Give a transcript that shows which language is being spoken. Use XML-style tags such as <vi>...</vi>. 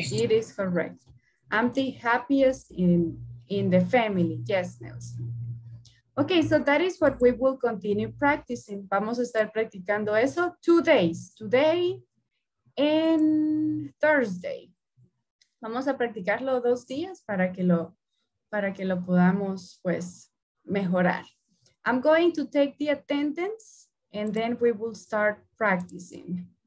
<en>It is correct. I'm the happiest in the family. Yes, Nelson. Okay, so that is what we will continue practicing.</en> <es>Vamos a estar practicando eso</es> <en>2 days, today and Thursday.</en> <es>Vamos a practicarlo 2 días para que lo podamos, pues, mejorar.</es> <en>I'm going to take the attendance and then we will start practicing.</en>